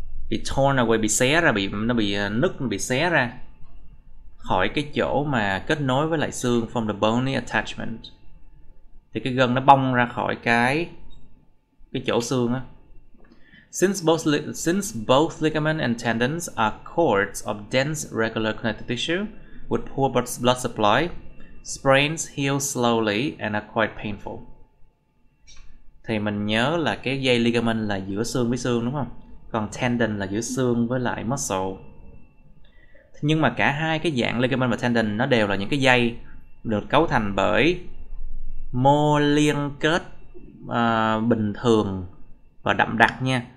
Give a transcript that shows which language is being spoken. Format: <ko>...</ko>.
<vi>Bị</vi> <en>torn away,</en> <vi>bị xé ra, bị nó bị nứt, bị xé ra khỏi cái chỗ mà kết nối với lại xương,</vi> <en>from the bony attachment.</en> <vi>Thì cái gân nó bong ra khỏi cái chỗ xương á.</vi> <en>Since both ligament and tendons are cords of dense regular connective tissue with poor blood supply, sprains heal slowly and are quite painful.</en> <vi>Thì mình nhớ là cái dây ligament là giữa xương với xương đúng không? Còn tendon là giữa xương với lại muscle. Nhưng mà cả hai cái dạng ligament và tendon nó đều là những cái dây được cấu thành bởi mô liên kết bình thường và đậm đặc nha.</vi>